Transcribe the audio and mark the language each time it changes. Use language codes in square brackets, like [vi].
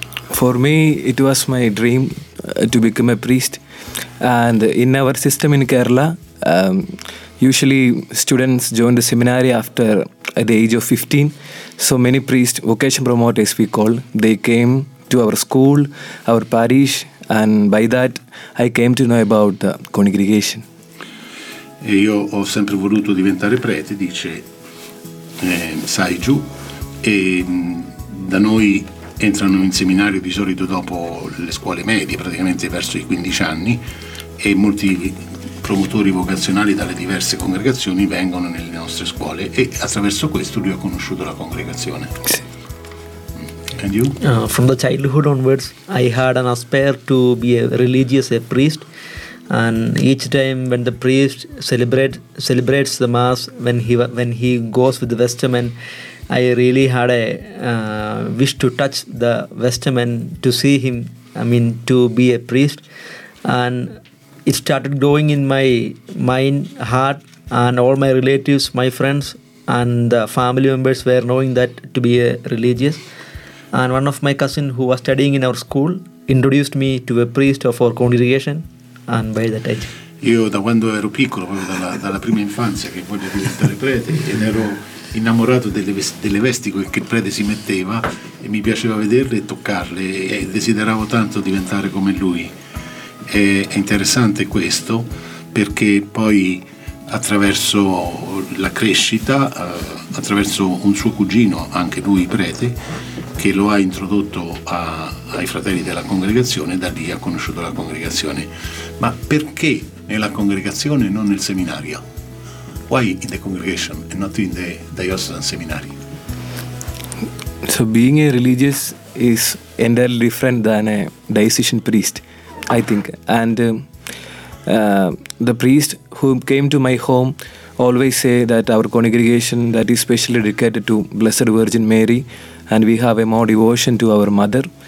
[en] For me it was my dream to become a priest, and in our system in Kerala usually students join the seminary after at the age of 15. So many priests, vocation promoters we call, they came to our school, our parish, and by that I came to know about the congregation. [it] E io ho sempre voluto diventare prete, dice Saiju, e da noi entrano in seminario di solito dopo le scuole medie, praticamente verso i 15 anni, e molti promotori vocazionali dalle diverse congregazioni vengono nelle nostre scuole, e attraverso questo lui ha conosciuto la congregazione. Sì. [en] And you? From the childhood onwards, I had an aspire to be a religious, a priest, and each time when the priest celebrates the mass, when he goes with the vestment, I really had a wish to touch the vestment, to see him, I mean to be a priest. And it started growing in my mind, heart, and all my relatives, my friends, and the family members were knowing that to be a religious. And one of my cousin who was studying in our school introduced me to a priest of our congregation, and by that age. [it] Io da quando ero piccolo, proprio dalla prima infanzia, che voglio diventare prete, ed ero innamorato delle vesti che il prete si metteva, e mi piaceva vederle e toccarle, e desideravo tanto diventare come lui. È interessante questo, perché poi attraverso la crescita, attraverso un suo cugino, anche lui prete, che lo ha introdotto ai fratelli della congregazione, da lì ha conosciuto la congregazione. Ma perché nella congregazione e non nel seminario? [en] Why in the congregation and not in the diocesan seminary? So being a religious is entirely different than a diocesan priest, I think. And the priest who came to my home always say that our congregation that is specially dedicated to Blessed Virgin Mary, and we have a more devotion to our mother.